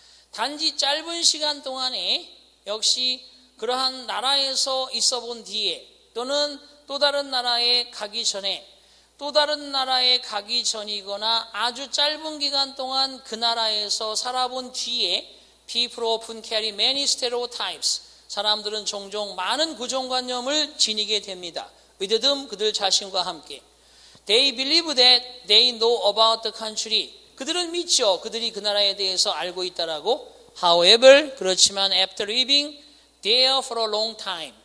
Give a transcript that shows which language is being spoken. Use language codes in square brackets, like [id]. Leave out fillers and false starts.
[ko] 단지 짧은 시간 동안에 역시 그러한 나라에서 있어 본 뒤에 또는 또 다른 나라에 가기 전에 또 다른 나라에 가기 전이거나 아주 짧은 기간 동안 그 나라에서 살아본 뒤에 [en] People often carry many stereotypes. [ko] 사람들은 종종 많은 고정관념을 지니게 됩니다. 위드듬 그들 자신과 함께. [en] They believe that they know about the country. [ko] 그들은 믿죠. 그들이 그 나라에 대해서 알고 있다라고. [en] However, [ko] 그렇지만 [en] after living there for a long time.